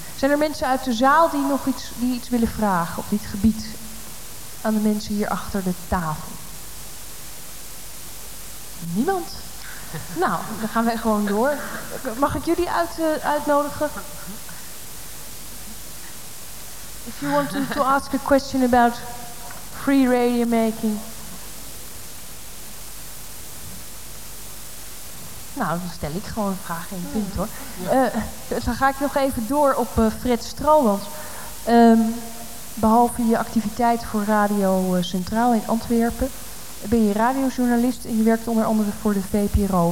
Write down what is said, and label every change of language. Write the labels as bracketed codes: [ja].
[nl] Zijn er mensen uit de zaal die nog iets willen vragen op dit gebied aan de mensen hier achter de tafel? Niemand? Nou, dan gaan wij gewoon door. Mag ik jullie uitnodigen? [en] If you want to ask a question about free radio making. [nl] Nou, dan stel ik gewoon een vraag in punt hoor. Ja. Dan ga ik nog even door op Fred Strohans. Behalve je activiteit voor Radio Centraal in Antwerpen, ben je radiojournalist en je werkt onder andere voor de VPRO.